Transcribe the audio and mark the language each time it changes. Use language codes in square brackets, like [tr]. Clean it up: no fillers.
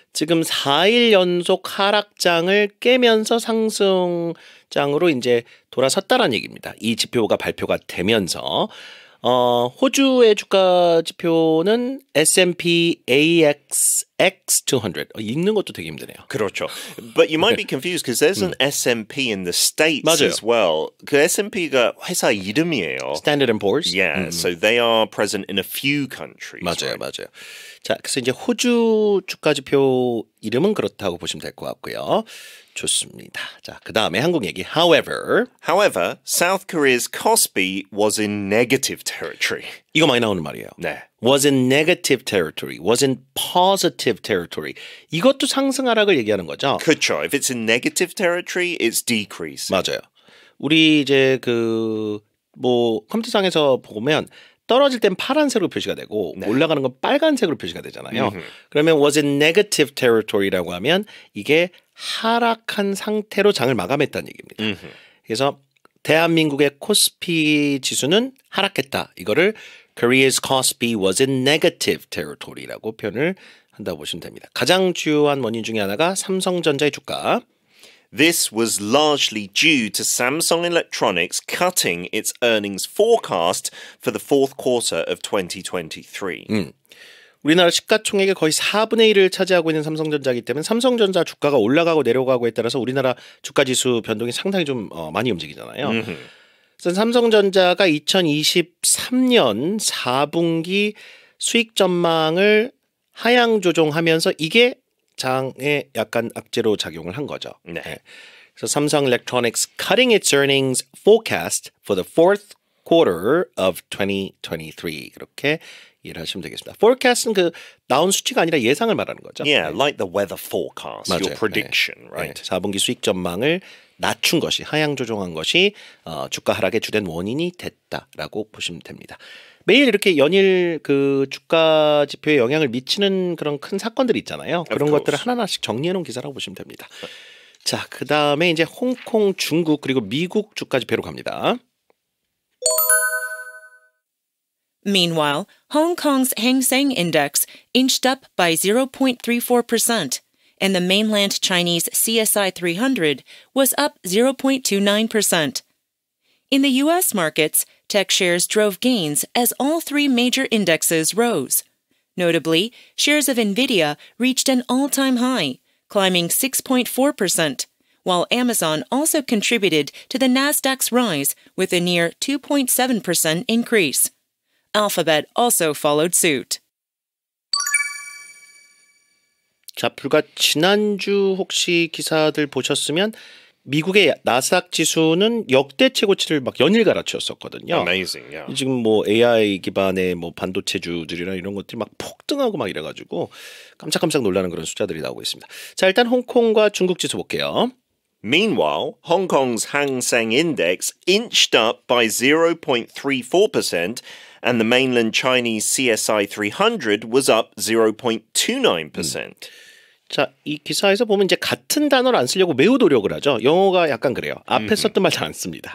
[ko] 지금 4일 연속 하락장을 깨면서 상승장으로 이제 돌아섰다라는 얘기입니다. 이 지표가 발표가 되면서 호주의 주가 지표는 S&P ASX 200. 읽는 것도 되게 힘드네요. 그렇죠. [en] But you might be confused because there's an S&P in the States [ko] 맞아요. [en] as well. [ko] 그 S&P가 회사 이름이에요. [en] Standard & Poor's. Yeah, so they are present in a few countries. [ko] 맞아요, [en] right? [ko] 맞아요. 자, 그래서 이제 호주 주가 지표 이름은 그렇다고 보시면 될 것 같고요. 좋습니다. 자, 그다음에 한국 얘기. [en] However, South Korea's KOSPI was in negative territory. [ko] 이거 많이 나오는 말이에요. 네. [en] Was in negative territory. Was in positive territory. [ko] 이것도 상승하락을 얘기하는 거죠. 그렇죠. [en] If it's in negative territory, it's decrease. [ko] 맞아요. 우리 이제 그 뭐 컴퓨터상에서 보면 떨어질 땐 파란색으로 표시가 되고 네. 올라가는 건 빨간색으로 표시가 되잖아요. [en] Mm-hmm. [ko] 그러면 [en] was in negative territory [ko] 라고 하면 이게 하락한 상태로 장을 마감했다는 얘기입니다. Mm-hmm. 그래서 대한민국의 코스피 지수는 하락했다. 이거를 [en] Korea's KOSPI was in negative territory [ko] 라고 표현을 한다고 보시면 됩니다. 가장 주요한 원인 중에 하나가 삼성전자의 주가. [en] This was largely due to Samsung Electronics cutting its earnings forecast for the fourth quarter of 2023. [ko] 우리나라 시가총액의 거의 4분의 1을 차지하고 있는 삼성전자이기 때문에 삼성전자 주가가 올라가고 내려가고에 따라서 우리나라 주가지수 변동이 상당히 좀 많이 움직이잖아요. Mm-hmm. 삼성전자가 2023년 4분기 수익 전망을 하향 조정하면서 이게 장에 약간 악재로 작용을 한 거죠. 네. 네. [en] So Samsung Electronics cutting its earnings forecast for the fourth quarter of 2023. [ko] 그렇게 이해를 하시면 되겠습니다. Forecast은 그 나온 수치가 아니라 예상을 말하는 거죠. [en] Yeah, [ko] 네. [en] like the weather forecast, [ko] 맞아요. [en] your prediction, 네. right? [ko] 네. 4분기 수익 전망을 낮춘 것이, 하향 조정한 것이 주가 하락의 주된 원인이 됐다라고 보시면 됩니다. 매일 이렇게 연일 그 주가 지표에 영향을 미치는 그런 큰 사건들이 있잖아요. 그런 것들을 하나하나씩 정리해놓은 기사라고 보시면 됩니다. 자, 그 다음에 이제 홍콩, 중국 그리고 미국 주가 지표로 갑니다. [en] Meanwhile, Hong Kong's Hang Seng Index inched up by 0.34% and the mainland Chinese CSI 300 was up 0.29%. In the U.S. markets, tech shares drove gains as all three major indexes rose. Notably, shares of NVIDIA reached an all-time high, climbing 6.4%, while Amazon also contributed to the Nasdaq's rise with a near 2.7% increase. Alphabet also followed suit. [ko] 자, 불과 지난주 혹시 기사들 보셨으면 미국의 나스닥 지수는 역대 최고치를 막 연일 갈아치웠었거든요. [en] Amazing, yeah. [ko] 지금 뭐 AI 기반의 뭐 반도체 주들이나 이런 것들이 막 폭등하고 막 이래가지고 깜짝깜짝 놀라는 그런 숫자들이 나오고 있습니다. 자, 일단 홍콩과 중국 지수 볼게요. Meanwhile, Hong Kong's Hang Seng Index inched up by 0.34% and the mainland Chinese CSI 300 was up 0.29%. 자, 이 기사에서 보면 이제 같은 단어를 안 쓰려고 매우 노력을 하죠. 영어가 약간 그래요. 앞에 썼던 말 잘 안 씁니다.